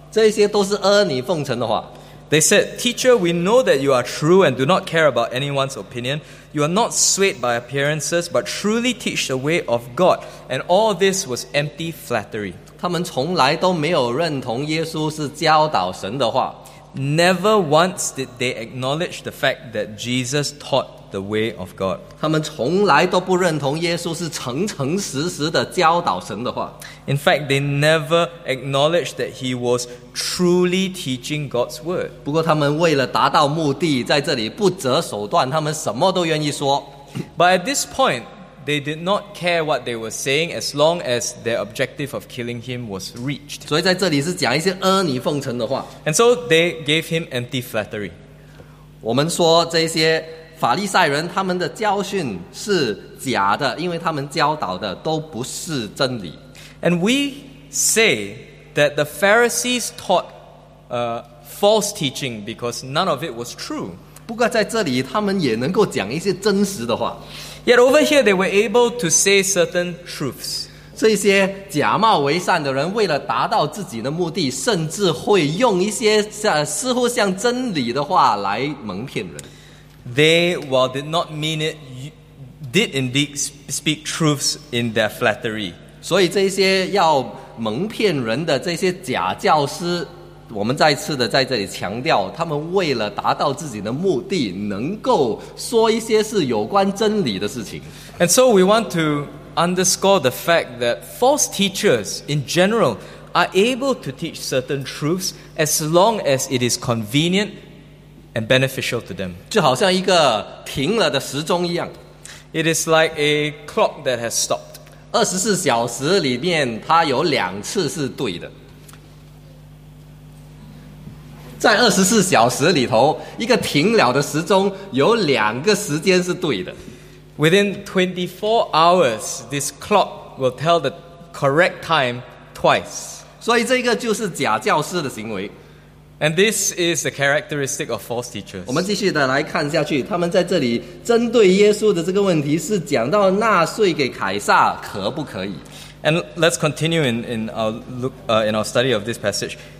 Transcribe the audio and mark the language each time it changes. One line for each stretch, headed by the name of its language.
Chinese: 夫子，我们知道你是诚实的，什么人你都不逊情面，因为你不看人的外貌，乃是诚诚实实传神的道。这些都是阿谀奉承的话。
English: They said, "Teacher, we know that you are true and do not care about anyone's opinion. You are not swayed by appearances, but truly teach the way of God." And all this was empty flattery.
Chinese: 他们从来都没有认同耶稣是教导神的话。
English: Never once did they acknowledge the fact that Jesus taught the way of God.
Chinese: 他们从来都不认同耶稣是诚诚实实的教导神的话。
English: In fact, they never acknowledged that he was truly teaching God's word.
Chinese: 不过他们为了达到目的，在这里不择手段，他们什么都愿意说。
English: But at this point, they did not care what they were saying as long as their objective of killing him was reached.
Chinese: 所以在这里是讲一些阿谀奉承的话。
English: And so they gave him empty flattery.
Chinese: 我们说这些法利赛人他们的教训是假的，因为他们教导的都不是真理。
English: And we say that the Pharisees taught false teaching because none of it was true.
Chinese: 不过在这里他们也能够讲一些真实的话。
English: Yet over here they were able to say certain truths.
Chinese: 这些假冒为善的人为了达到自己的目的，甚至会用一些似乎像真理的话来蒙骗人。
English: They, while did not mean it, did indeed speak truths in their flattery.
Chinese: 所以这些要蒙骗人的这些假教师，我们再次的在这里强调，他们为了达到自己的目的，能够说一些是有关真理的事情。
English: And so we want to underscore the fact that false teachers in general are able to teach certain truths as long as it is convenient and beneficial to them.
Chinese: 就好像一个停了的时钟一样。
English: It is like a clock that has stopped.
Chinese: 24小时里面它有两次是对的。在24小时里头，一个停了的时钟有两个时间是对的。
English: Within 24 hours, this clock will tell the correct time twice.
Chinese: 所以这个就是假教师的行为。
English: And this is the characteristic of false teachers.
Chinese: 我们继续的来看下去，他们在这里针对耶稣的这个问题是讲到纳税给凯撒可不可以。
English: And let's continue in our study of this passage.